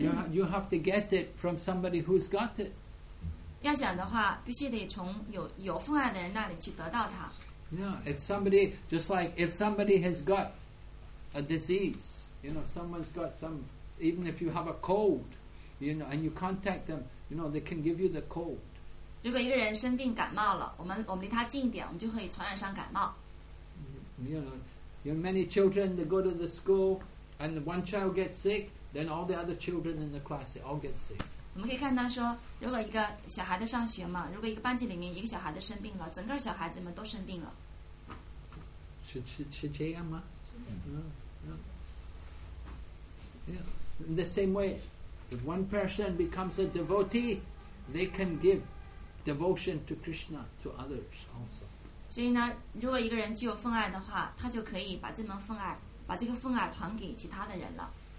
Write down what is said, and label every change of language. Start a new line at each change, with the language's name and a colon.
English: You have to get it from somebody who's got it.
Chinese: 要想的话，必须得从有分爱的人那里去得到它。
English: Yeah, if somebody just like if somebody has got a disease, you know, someone's got some. Even if you have a cold, you know, and you contact them, you know, they can give you the cold.
Chinese: 如果一个人生病感冒了，我们离他近一点，我们就可以传染上感冒。
English: You know, many children they go to the school, and one child gets sick. Then all the other children in the class they all get sick.
Chinese: 我们可以看到说，如果一个小孩子上学嘛，如果一个班级里面一个小孩子生病了，整个小孩子们都生病了。是这样吗？是的。
English: Yeah. In the same way, if one person becomes a devotee, they can give devotion to Krishna to others also.
Chinese: 所以呢，如果一个人具有分爱的话，他就可以把这门分爱，把这个分爱传给其他的人了。